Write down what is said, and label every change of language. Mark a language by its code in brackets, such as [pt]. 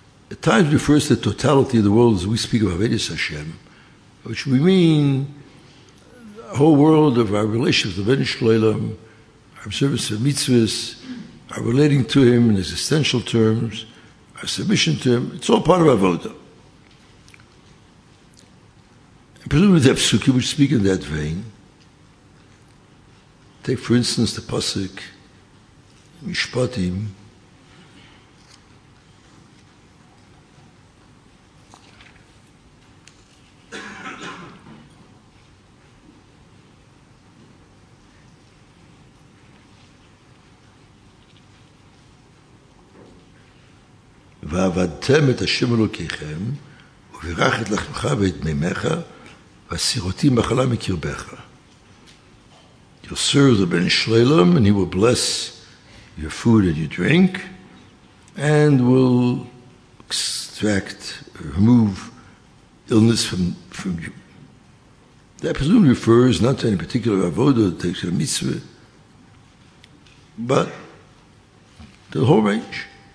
[en] At times it refers to the totality of the world as we speak of Avodas Hashem, which we mean the whole world of our relationship with Ribono Shel Olam, our observance of mitzvahs, our relating to Him in existential terms, our submission to Him. It's all part of Avodah. And presumably the Pesukim which speak in that vein. [he] Take for instance the Pasuk Mishpatim, ועבדתם את השם אלוקיכם, וברך את לחמך ואת מימך, והסירותי מחלה מקרבך. [en] You'll serve the Ben Shlalem, and he will bless your food and your drink, and will extract, remove illness from you. That presumably refers not to any particular avodah that takes a mitzvah, but to the whole range.